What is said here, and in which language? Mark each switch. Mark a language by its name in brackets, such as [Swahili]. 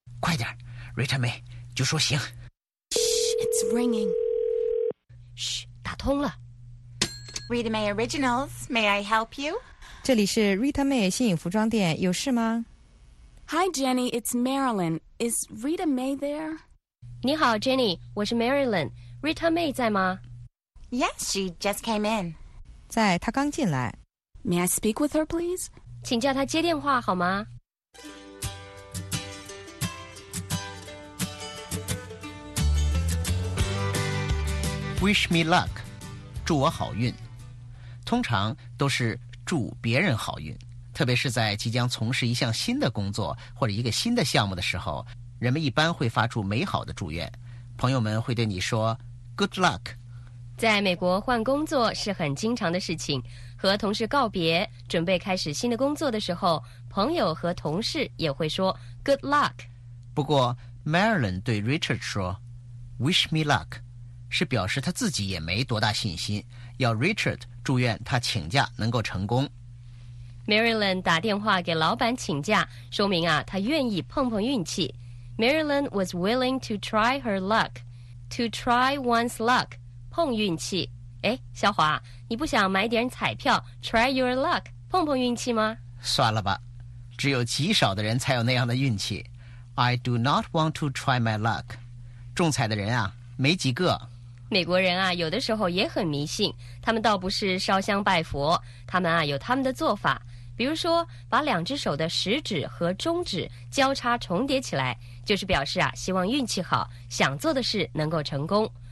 [Chinese] 快点 ，Rita May， 就说行。 [English] Shh, it's ringing. [Chinese] Shh, 打通了。 [English] Rita May Originals, may I help you? [Chinese] 这里是 Rita May 新颖服装店，有事吗 [English] ？Hi, Jenny, it's Marilyn. Is Rita May there? [Chinese] 你好 ，Jenny， 我是 Marilyn. Rita May 在吗 [English] ？Yes, she just came in. [Chinese] 在，她刚进来。 [English] May I speak with her, please? [Chinese] 请叫她接电话好吗？ [English] Wish me luck， [Chinese] 祝我好运。通常都是祝别人好运，特别是在即将从事一项新的工作或者一个新的项目的时候，人们一般会发出美好的祝愿。朋友们会对你说 [English] good luck。 [Chinese] 在美国换工作是很经常的事情，和同事告别准备开始新的工作的时候，朋友和同事也会说 [English] good luck。 [Chinese] 不过 Marilyn 对 Richard 说 [English] wish me luck [Chinese] 是表示他自己也没多大信心，要 Richard 祝愿他请假能够成功。 Marilyn 打电话给老板请假，说明啊他愿意碰碰运气。 [English] Marilyn was willing to try her luck. To try one's luck， [Chinese] 碰运气。哎，小华，你不想买点彩票 [English] try your luck [Chinese] 碰碰运气吗？算了吧，只有极少的人才有那样的运气。 [English] I do not want to try my luck。 [Chinese] 中彩的人啊没几个。美国人啊有的时候也很迷信，他们倒不是烧香拜佛，他们啊有他们的做法，比如说把两只手的食指和中指交叉重叠起来，就是表示啊希望运气好，想做的事能够成功。